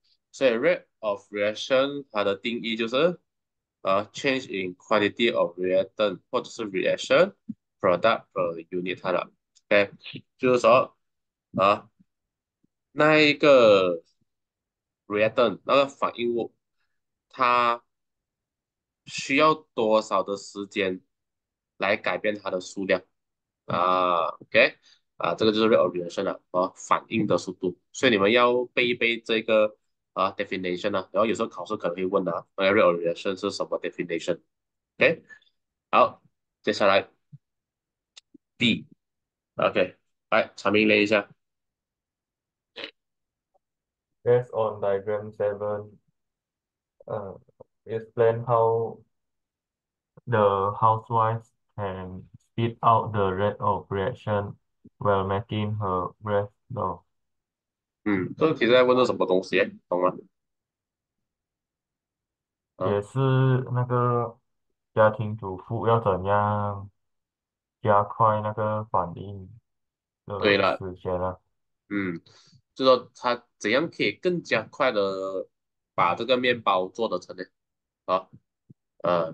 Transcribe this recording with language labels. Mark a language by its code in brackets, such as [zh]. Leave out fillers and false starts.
[zh] 所以 rate of reaction 它的定义就是 [en] change in quantity of reactant [zh] 或者是 reaction。 [en] product per unit [zh] 了，OK，就是说那一个 reactant 那个反应物，它需要多少的时间来改变它的数量OK，这个就是 rate of reaction 了反应的速度。所以你们要背一背这个definition 啊，然后有时候考试可能会问的rate of reaction 是什么 definition？OK，好，接下来。 B，OK，来查明了一下。 [en] Based on diagram 7, explain how the housewife can spit out the rate of reaction while making her breath dough. [zh] 这个题在问的什么东西？懂吗？也是那个家庭主妇要怎样加快那个反应对的了，时间啊？就说他怎样可以更加快的把这个面包做得成呢？